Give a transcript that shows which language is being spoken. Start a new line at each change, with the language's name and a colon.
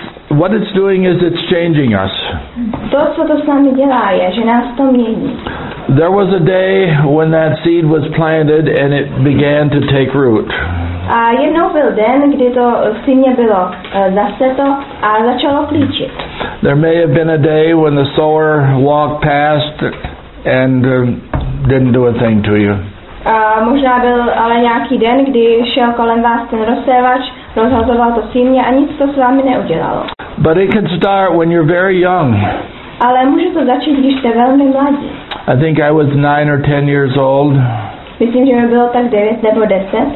English: what it's doing is it's changing us.
Czech: To, co to s námi dělá, je, že nás to mění.
English: There was a day when that seed was planted and it began to take root.
Czech: A jednou byl den, kdy to sýmě bylo zaseto a začalo klíčit.
English: There may have been a day when the sower walked past and didn't do a thing to you.
Czech: A možná byl ale nějaký den, kdy šel kolem vás ten rozsévač, rozhazoval to sýmě a nic to s vámi neudělalo.
English: But it can start when you're very young.
Czech: Ale může to začít, když jste velmi mladí.
English: I think I was 9 or 10 years old.
Czech: Myslím, že mi bylo tak 9 nebo 10.